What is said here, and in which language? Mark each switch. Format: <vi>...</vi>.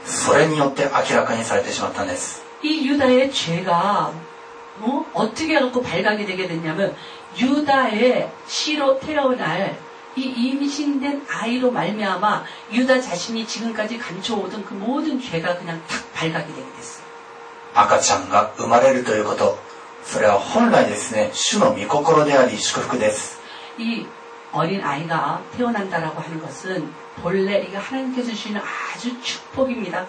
<ja>それを何によって明らかにされたかと言いますと、自分の赤ちゃん、自分の命が分けてある命、それによって明らかにされてしまったんです。</ja> <ko>이 유다의 죄가 어떻게 해갖고 발각이 되게 됐냐면 유다의 씨로 태어날 이 임신된 아이로 말미암아 유다 자신이 지금까지 감춰오던 그 모든 죄가 그냥 탁 발각이 되게 됐어요.</ko> <ja>赤ちゃんが 生まれる ということ。それは本来ですね、主の御心であり祝福です。</ja> <ko>이 어린 아이가 태어난다라고 하는 것은 본래 이게 하나님께서 주시는 아주 축복입니다.</ko>